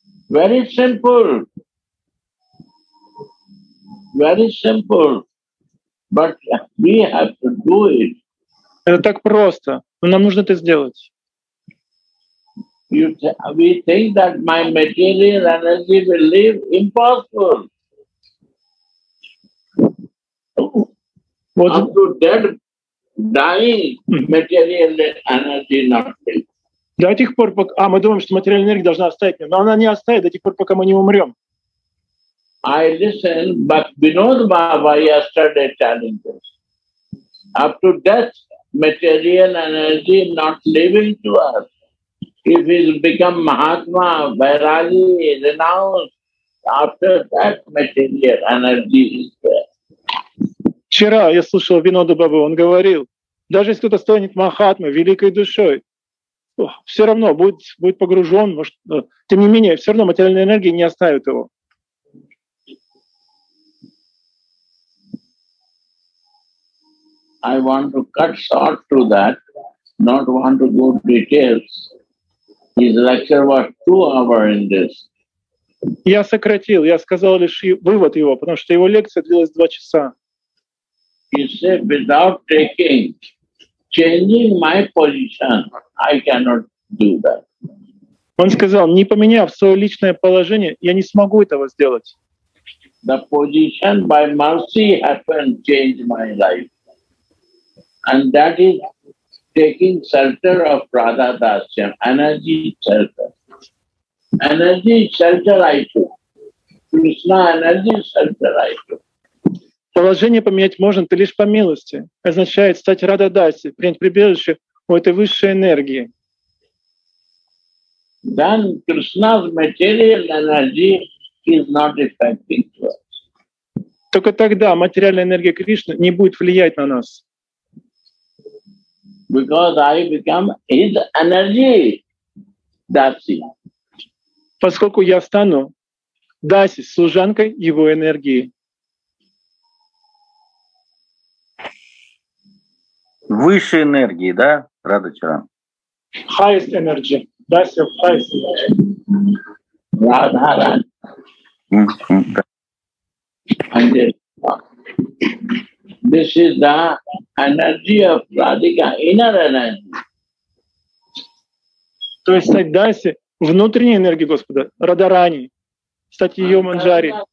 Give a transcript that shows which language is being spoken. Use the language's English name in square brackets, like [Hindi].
[English] Very simple. Very simple. But we have to do it. [Russian] Это так просто, но нам нужно это сделать. [English] We think that my material energy will live impossible. Up to dead. [Russian] До тех пор, пока мы думаем, что материальная энергия должна оставить меня, но она не оставит до тех пор, пока мы не умрем. [English] I listen, but Vinod Baba yesterday telling this. Up to death, material energy not living to us. If he become Mahatma, Vairagi, renounced, after that material energy is there. [Russian] Вчера я слушал Винода Бабу, он говорил. Даже если кто-то станет Махатмой, великой душой, все равно будет погружен, может, тем не менее, все равно материальная энергия не оставит его. [English] I want to cut short through that, not want to go into details. His lecture was 2 hours in this. [Russian] Я сократил, я сказал лишь вывод его, потому что его лекция длилась 2 часа. [English] He said, without taking. Changing my position, I cannot do that. [Russian] Он сказал, не поменяв свое личное положение, я не смогу этого сделать. [English] The position by mercy happened, changed my life. And that is taking shelter of Radha Dasyam, energy shelter. Energy shelter I took. Krishna energy shelter I took. [Russian] Положение поменять можно, ты лишь по милости. Означает стать Радхадаси, принять прибежище у этой высшей энергии. [English] Then Krishna's material energy is not affecting us. [Russian] Только тогда материальная энергия Кришны не будет влиять на нас. [English] Because I become his energy, Dasi. [Russian] Поскольку я стану Даси, служанкой его энергии. Высшей энергии, да, Радхачаран? [English] Highest energy. That's your highest energy. [Russian] Радхачаран. [English] This is the energy of Radhika, inner energy. [Russian] То есть стать Даси, внутренней энергии Господа, Радхарани, стать ее манджари.